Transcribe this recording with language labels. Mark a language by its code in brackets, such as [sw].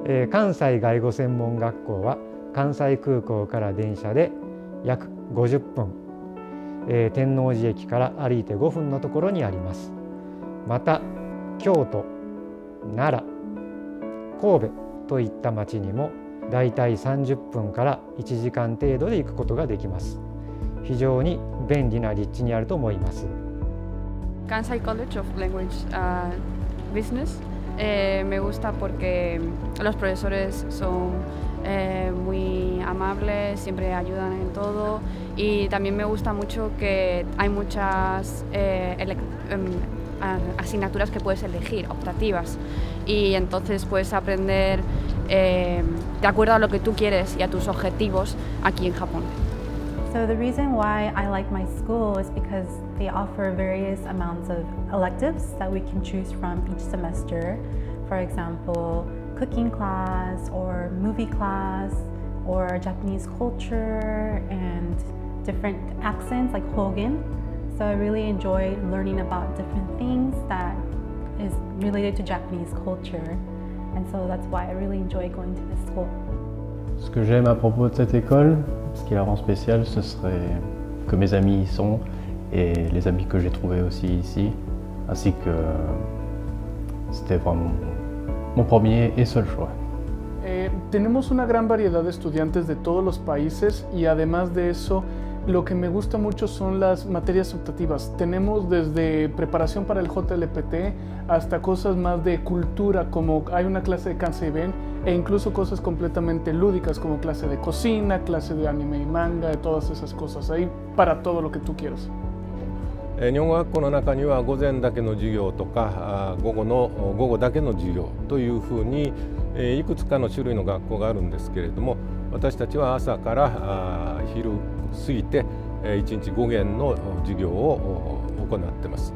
[ja] 関西外語専門学校は関西空港から電車で約50分、天王寺駅から歩いて5分のところにあります。また京都、奈良、神戸といった町にもだいたい30分から1時間程度で行くことができます。非常に便利な立地にあると思います。 [es] Kansai College of Language Business、me gusta porque los profesores son、muy amables, siempre ayudan en todo y también me gusta mucho que hay muchas、asignaturas que puedes elegir, optativas y entonces puedes aprender、de acuerdo a lo que tú quieres y a tus objetivos aquí en Japón. [en] So the reason why I like my school is because they offer various amounts of electives that we can choose from each semester. For example, cooking class or movie class or Japanese culture and different accents like Hogan. So I really enjoy learning about different things that is related to Japanese culture. And so that's why I really enjoy going to this school. [fr] Ce que j'aime à propos de cette école, ce qui la rend spéciale, ce serait que mes amis y sont et les amis que j'ai trouvés aussi ici. Ainsi que c'était vraiment mon premier et seul choix. [es] Tenemos una gran variedad de estudiantes de todos los países y además de eso,Lo que me gusta mucho son las materias optativas. Tenemos desde preparación para el JLPT hasta cosas más de cultura, como hay una clase de Kansai Ben, e incluso cosas completamente lúdicas, como clase de cocina, clase de anime y manga, de todas esas cosas. Hay para todo lo que tú quieras. En el [ja] 日本学校の中には午前だけの授業とか午後だけの授業というふうにいくつかの種類の学校があるんですけれども、私たちは朝から昼過ぎて1日5限の授業を行っています。